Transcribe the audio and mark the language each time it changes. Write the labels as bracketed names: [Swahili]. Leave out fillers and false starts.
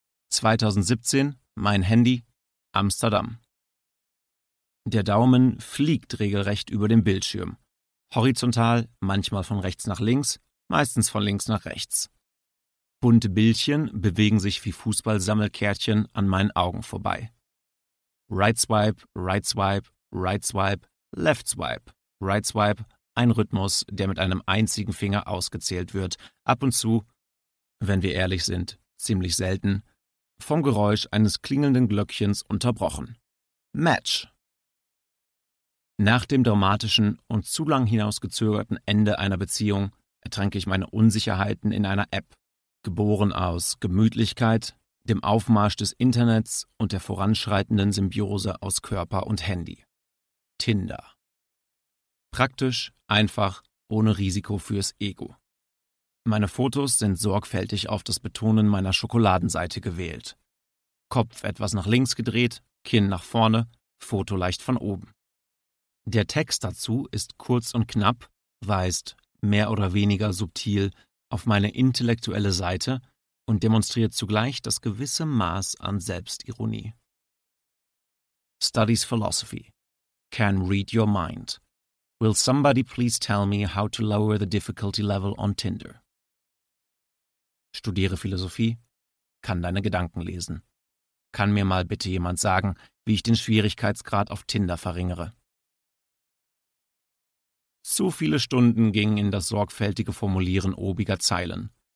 [German] 2017, mein Handy, Amsterdam. Der Daumen fliegt regelrecht über den Bildschirm. Horizontal, manchmal von rechts nach links, meistens von links nach rechts. Bunte Bildchen bewegen sich wie Fußballsammelkärtchen an meinen Augen vorbei. [English] Right swipe, right swipe, right swipe, left swipe, right swipe. [German] Ein Rhythmus, der mit einem einzigen Finger ausgezählt wird, ab und zu, wenn wir ehrlich sind, ziemlich selten, vom Geräusch eines klingelnden Glöckchens unterbrochen. Match! Nach dem dramatischen und zu lang hinausgezögerten Ende einer Beziehung ertränke ich meine Unsicherheiten in einer App, geboren aus Gemütlichkeit, dem Aufmarsch des Internets und der voranschreitenden Symbiose aus Körper und Handy. Tinder. Praktisch, einfach, ohne Risiko fürs Ego. Meine Fotos sind sorgfältig auf das Betonen meiner Schokoladenseite gewählt. Kopf etwas nach links gedreht, Kinn nach vorne, Foto leicht von oben. Der Text dazu ist kurz und knapp, weist mehr oder weniger subtil auf meine intellektuelle Seite und demonstriert zugleich das gewisse Maß an Selbstironie. [English] Studies Philosophy. Can read your mind. Will somebody please tell me how to lower the difficulty level on Tinder? [German] Studiere Philosophie, kann deine Gedanken lesen. Kann mir mal bitte jemand sagen, wie ich den Schwierigkeitsgrad auf Tinder verringere? Zu viele Stunden gingen in das sorgfältige Formulieren obiger Zeilen.